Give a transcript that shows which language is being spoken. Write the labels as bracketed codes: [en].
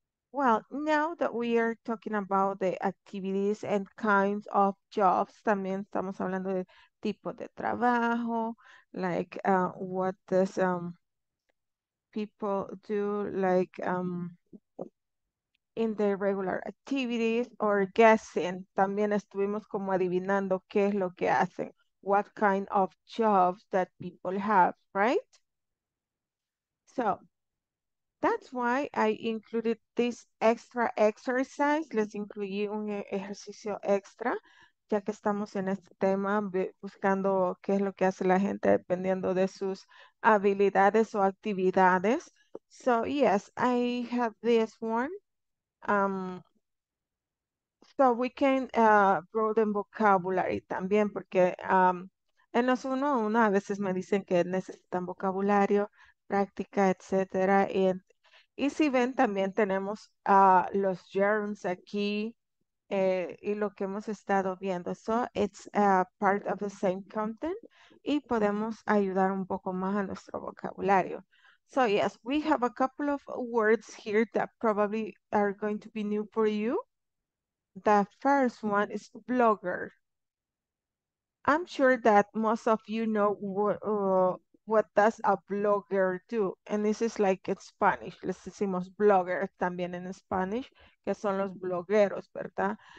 [en] Well, now that we are talking about the activities and kinds of jobs, también estamos hablando de tipo de trabajo, like what does people do, like in their regular activities, or guessing. [es] También estuvimos como adivinando qué es lo que hacen, what kind of jobs that people have, right? [en] So, that's why I included this extra exercise. [es] Les incluí un ejercicio extra, ya que estamos en este tema buscando qué es lo que hace la gente dependiendo de sus habilidades o actividades. [en] So yes, I have this one. [es] So we can broaden vocabulary también, porque en los uno a uno a veces me dicen que necesitan vocabulario, práctica, etcétera. Y si ven, también tenemos los germs aquí y lo que hemos estado viendo. So it's part of the same content y podemos ayudar un poco más a nuestro vocabulario. [en] So yes, we have a couple of words here that probably are going to be new for you. The first one is blogger. I'm sure that most of you know what does a blogger do? And this is like it's Spanish. [es] Les decimos blogger también en Spanish, que son los blogueros, ¿verdad?